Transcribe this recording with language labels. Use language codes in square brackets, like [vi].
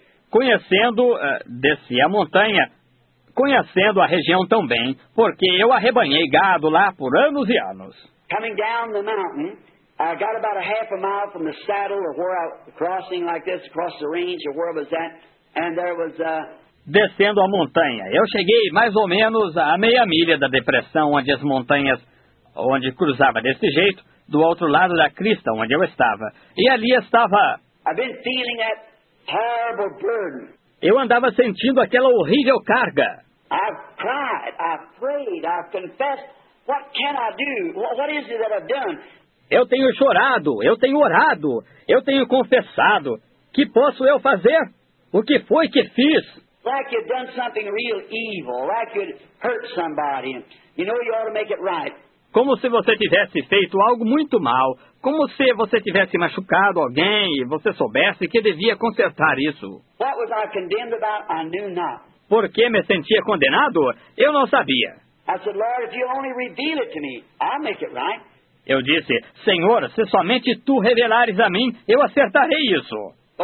[pt] Conhecendo, desci a montanha, conhecendo a região tão bem, porque eu arrebanhei gado lá por anos e anos. [en] Coming down the mountain, I got about a half a mile from the saddle or where I was crossing like this across the range or where was that, and there was a... [pt] Descendo a montanha, eu cheguei mais ou menos a meia milha da depressão onde as montanhas, onde cruzava desse jeito, do outro lado da crista onde eu estava. E ali estava... [en] I've been feeling that terrible burden. [pt] Eu andava sentindo aquela horrível carga. [en] I've cried, I've prayed, I've confessed. What can I do? What is it that I've done? [pt] Eu tenho chorado, eu tenho orado, eu tenho confessado. Que posso eu fazer? O que foi que fiz? [en] Like you've done something real evil, like you'd hurt somebody. You know you ought to make it right. [pt] Como se você tivesse feito algo muito mal, como se você tivesse machucado alguém e você soubesse que devia consertar isso. [en] What was I condemned about? I knew not. [pt] Por que me sentia condenado? Eu não sabia. [en] I said, Lord, if you only reveal it to me, I'll make it right. [pt] Eu disse, Senhor, se somente Tu revelares a mim, eu acertarei isso.